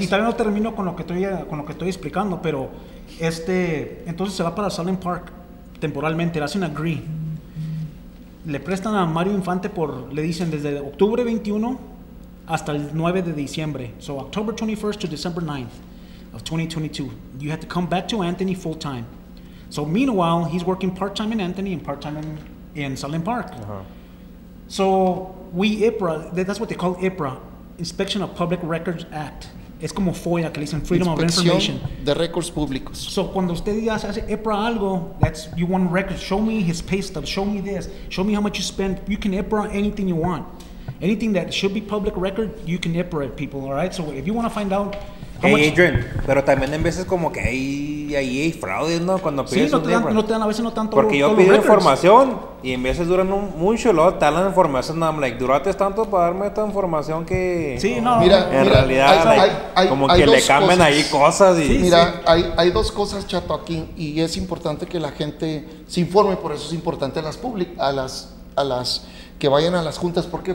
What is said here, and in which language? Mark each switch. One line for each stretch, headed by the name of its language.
Spanish: Y todavía no termino con lo que estoy explicando, pero entonces se va para Sunland Park temporalmente, le hacen agree. Le prestan a Mario Infante le dicen desde octubre 21 hasta el 9 de diciembre.
English: So October 21st to December 9th of 2022. You have to come back to Anthony full time. So meanwhile, he's working part time in Anthony and part time in Sunland Park. Uh-huh. So IPRA, that's what they call IPRA, Inspection of Public Records Act.
Spanish: Es como FOIA, que le dicen Freedom Inspección
English: of Information.
Spanish: De récords públicos.
English: So,
Spanish: cuando usted ya hace IPRA algo,
English: that's, you want records, show me his pay stub, show me this, show me how much you spend. You can IPRA anything you want. Anything that should be public record, you can IPRA it, people, all right? So, if you want to find out how much...
Spanish: Hey, Adrian, pero también en veces como que ahí hay fraude, ¿no? Cuando pides sí, no te dan a veces no tanto. Porque yo pido información y en veces duran mucho, luego te dan información.
English: I'm like,
Spanish: ¿durates tanto para darme esta información que... Sí, no. En realidad, como que le cambian ahí cosas. Hay dos cosas, Chato, aquí, y es importante que la gente se informe, por eso es importante a las que vayan a las juntas. ¿Por qué?